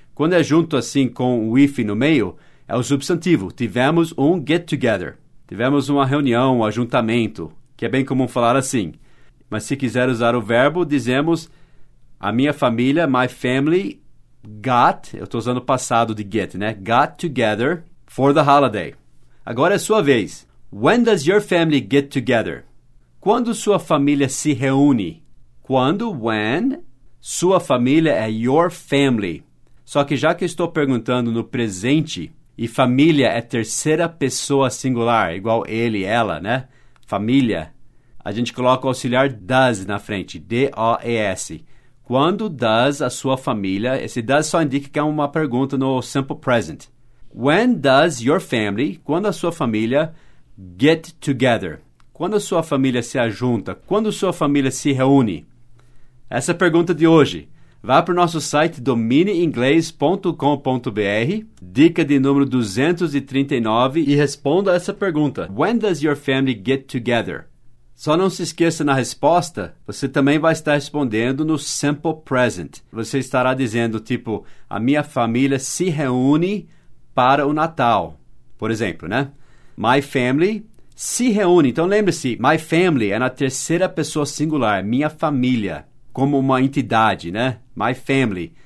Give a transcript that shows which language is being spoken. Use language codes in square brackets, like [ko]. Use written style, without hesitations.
[pt] Quando é junto assim com o hífen no meio, é o substantivo, tivemos um get-together, tivemos uma reunião, um ajuntamento, que é bem comum falar assim. Mas se quiser usar o verbo, dizemos, a minha família, [en] my family, [pt] got, eu estou usando o passado de get, né? [en] Got together for the holiday. [pt] Agora é sua vez. [en] When does your family get together? [pt] Quando sua família se reúne? Quando, when, sua família é your family. Só que já que estou perguntando no presente, e família é terceira pessoa singular, igual ele, ela, né? Família. A gente coloca o auxiliar does na frente, D-O-E-S. Quando does a sua família, esse does só indica que é uma pergunta no simple present. [en] When does your family, [pt] quando a sua família, [en] get together? [pt] Quando a sua família se ajunta? Quando a sua família se reúne? Essa é a pergunta de hoje. Vá para o nosso site dominiainglês.com.br, dica de número 239, e responda essa pergunta. [en] When does your family get together? [pt] Só não se esqueça na resposta, você também vai estar respondendo no simple present. Você estará dizendo, tipo, a minha família se reúne para o Natal, por exemplo, né? My family se reúne. Então, lembre-se, my family é na terceira pessoa singular, minha família, como uma entidade, né? My family.